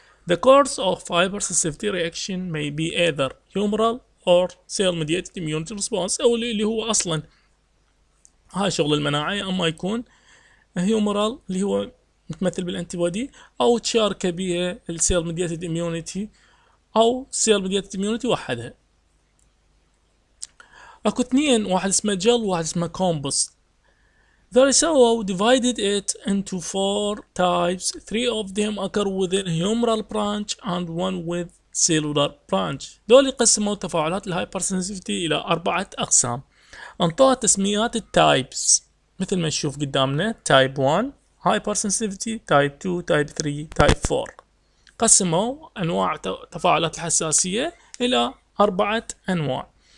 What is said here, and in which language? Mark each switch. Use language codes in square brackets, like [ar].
[en] The course of hypersensitivity reaction may be either humoral or cell-mediated immune response، [ar] أو اللي هو أصلاً هاي شغل المناعة، أما يكون [en] humoral [ar] اللي هو متمثل بالأنتيبودي أو تشارك بها [en] cell-mediated immunity أو cell-mediated immunity وحدها. [ar] أكو اثنين، واحد اسمه جل واحد اسمه كومبوست. [en] They so divided it into four types. Three of them occur within humoral branch and one with cellular branch. [ar] دول قسموا تفاعلات الهايبرسنسيفتي إلى أربعة أقسام. انطوها تسميات التايبس مثل ما نشوف قدامنا. [en] Type 1 hypersensitivity, Type 2, Type 3, Type 4. [ar] قسموا أنواع تفاعلات الحساسية إلى أربعة أنواع.